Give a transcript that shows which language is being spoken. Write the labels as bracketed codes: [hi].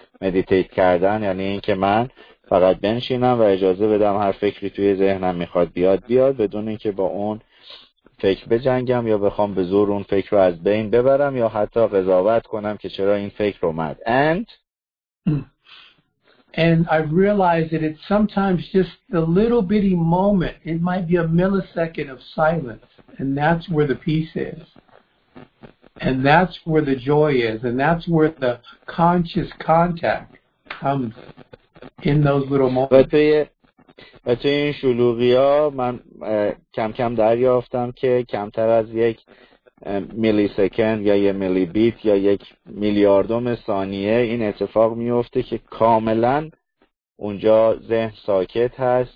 [fa] مدیتیت کردن یعنی اینکه من فقط بنشینم و اجازه بدم هر فکری توی ذهنم میخواد بیاد بدون اینکه با اون فکر بجنگم یا بخوام به زور اون فکر رو از بین ببرم یا حتی قضاوت کنم که چرا این فکر اومد. [en] And I realize that it's sometimes just the little bitty moment. It might be a millisecond of silence, and that's where the peace is. And that's where the joy is, and that's where the conscious contact comes in those little moments. [fa] و توی این شلوغی ها من کم کم دریافتم که کمتر از یک میلی سکند یا یک میلی بیت یا یک میلیاردوم ثانیه این اتفاق میفته که کاملا اونجا ذهن ساکت هست.